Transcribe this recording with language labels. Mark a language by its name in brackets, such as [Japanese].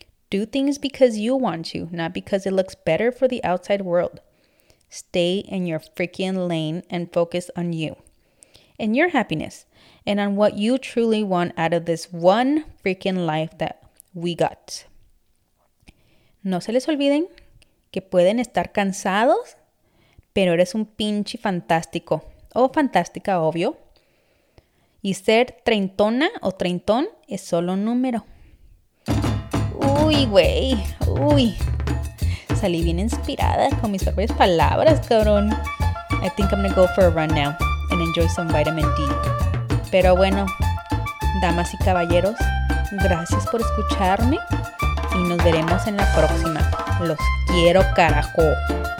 [English] Do things because you want to, not because it looks better for the outside world. stay in your freaking lane and focus on you and your happiness and on what you truly want out of this one freaking life that we got. [Spanish] No se les olviden que pueden estar cansados, pero eres un pinche fantástico. O fantástica, obvio. Y ser treintona o treintón es solo un número. Uy, güey. Uy. Salí bien inspirada con mis propias palabras, cabrón. [English] I think I'm gonna go for a run now and enjoy some vitamin D. [Spanish] Pero bueno, damas y caballeros, gracias por escucharme. Y nos veremos en la próxima. Los quiero, carajo.